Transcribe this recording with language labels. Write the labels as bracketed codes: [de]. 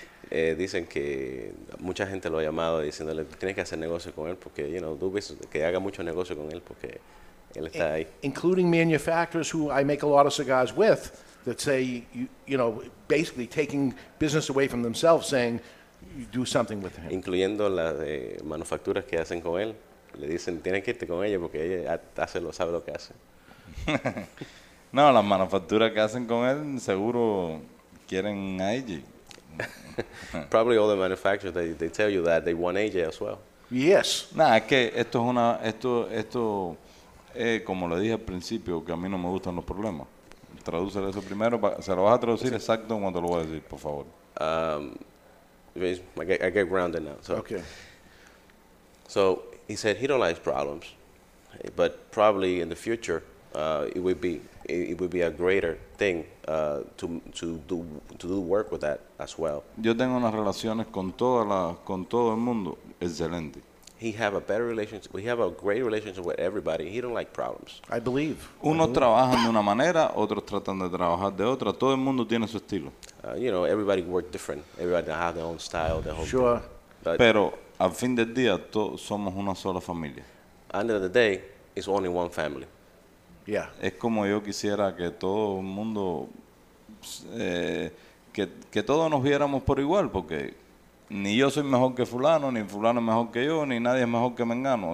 [es] Dicen que mucha gente lo ha llamado diciéndole, tienes que hacer negocio con él porque, [en] you know, do business, [es] que haga mucho negocio con él porque él está ahí. [en] Including manufacturers who I make a lot of cigars with that say, you know, basically taking business away from themselves, saying... You do something with him. [es] Incluyendo las manufacturas que hacen con él, le dicen tienes que irte con ella porque ella sabe lo que hace. No, las manufacturas que hacen con él seguro quieren a AJ. [en] Probably all the manufacturers they tell you that they want AJ as well. Yes. [es] Nah, es que esto es una esto como le dije al principio que a mí no me gustan los problemas. Tradúcelo eso primero, se lo vas a traducir exacto cuando lo voy a decir, por favor. [en] I get grounded now. So. Okay. So he said he don't like problems, but probably in the future it would be a greater thing to do work with that as well. [es] Yo tengo unas relaciones con todo el mundo excelente. [en] He have a better relationship. We have a great relationship with everybody. He don't like problems. I believe. [es] Unos trabajan de una manera, otros tratan de trabajar de otra. Todo el mundo tiene su estilo. [en] You know, everybody work different. Everybody have their own style, their own. Sure. [es] Pero al fin del día, todos somos una sola familia. [en] At the end of the day, it's only one family. Yeah. [es] Es como yo quisiera que todo el mundo que todos nos viéramos por igual, porque ni yo soy mejor que fulano, ni fulano es mejor que yo, ni nadie es mejor que mengano.